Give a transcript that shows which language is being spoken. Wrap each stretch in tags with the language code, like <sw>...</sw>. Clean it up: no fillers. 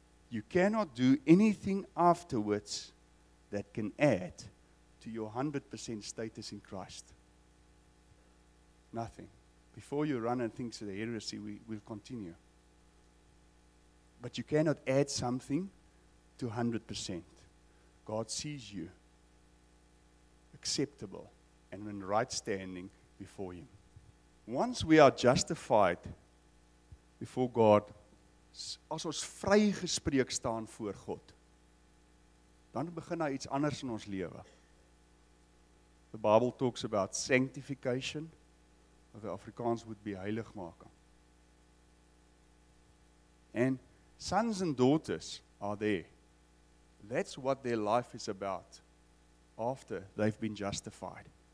<en>You cannot do anything afterwards that can add to your 100% status in Christ. Nothing. Before you run and think of the heresy, we will continue. But you cannot add something to 100%. God sees you acceptable and in right standing before Him. Once we are justified before God,</en> <af>as ons vrygespreek staan voor God, dan begin daar iets anders in ons lewe.</af> <en>The Bible talks about sanctification, of the Afrikaans would be heiligmaking. And sons and daughters are there. That's what their life is about after they've been justified.</en>